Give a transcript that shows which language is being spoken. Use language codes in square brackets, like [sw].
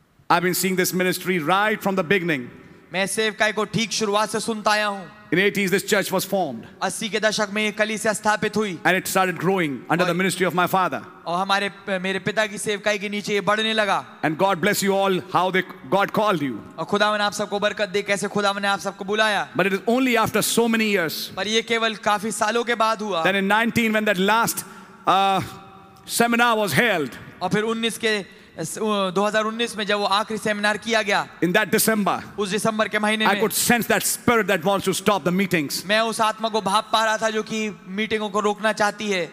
[en] I've been seeing this ministry right from the beginning. [hi] मैं सेवकाई को ठीक शुरुआत से सुनता आया हूँ. [en] In 80s, this church was formed. [hi] 80 के दशक में ये कलीसिया स्थापित हुई. [en] And it started growing under the ministry of my father. [hi] और हमारे मेरे पिता की सेवकाई के नीचे ये बढ़ने लगा. [en] And God bless you all, how they God called you. [hi] और खुदावन आप सबको बरकत दे, कैसे खुदावन ने आप सबको बुलाया. [en] But it is only after so many years. [hi] पर ये केवल काफी सालों के बाद हुआ. [en] Then in 19, when that last seminar was held. [hi] और फिर 19 के 2019 में जब वो आखिरी सेमिनार किया गया. [en] In that December, [hi] उस दिसंबर के महीने [en] में, I could sense that spirit that wants to stop the meetings. [hi] मैं उस आत्मा को भाप पा रहा था जो कि मीटिंगों को रोकना चाहती है.